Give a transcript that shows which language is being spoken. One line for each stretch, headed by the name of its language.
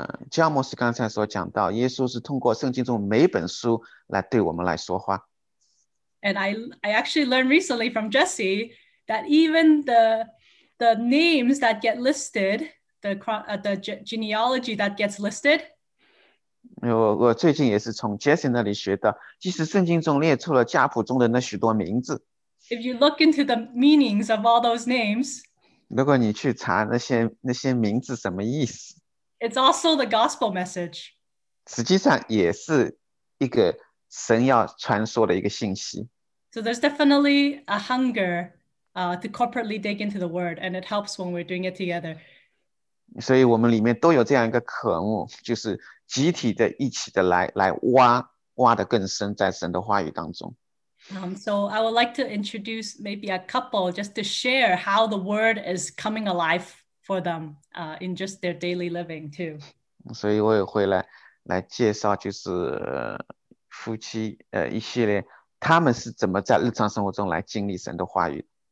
Chinese: 加摩斯刚才所讲到，耶稣是通过圣经中每本书来对我们来说话。
English: And I actually learned recently from Jesse that even the names that get listed, the genealogy that gets listed.
Chinese: 我最近也是从 Jesse 那里学到，即使圣经中列出了家谱中的那许多名字。
English: If you look into the meanings of all those names,
Chinese: 如果你去查那些名字什么意思，
English: it's also the gospel message.
Chinese: 实际上也是一个神要传说的一个信息。
English: So there's definitely a hungerto corporately dig into the word, and it helps when we're doing it together.
Chinese: 所以我们里面都有这样一个渴慕，就是集体的、一起的来挖挖得更深在神的话语当中。
English: So I would like to introduce maybe a couple just to share how the word is coming alive for them in just their daily living too.
Chinese: 所以我也会来介绍就是夫妻一系列他们是怎么在日常生活中来经历神的话语。